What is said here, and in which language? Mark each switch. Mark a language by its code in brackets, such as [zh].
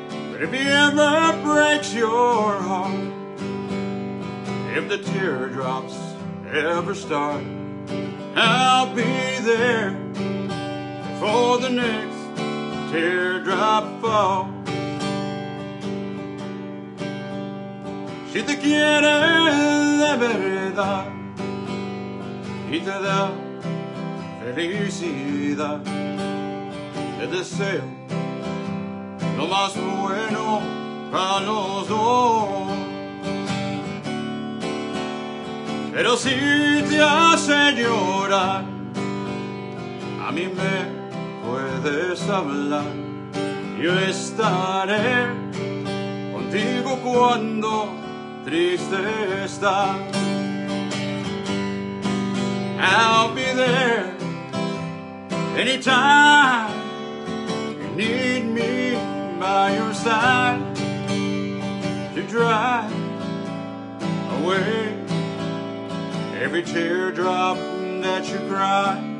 [en] But if he ever breaks your heart, if the teardrops ever start, I'll be there for the next teardrop fall. [es] Si te quieres de verdad y te da felicidad, el deseo, lo más bueno para los dos. Pero si te hace llorar, a mí me puedes hablar. Yo estaré contigo cuando triste estás. [en] I'll be there anytime you need me by your side to dry away every teardrop that you cry.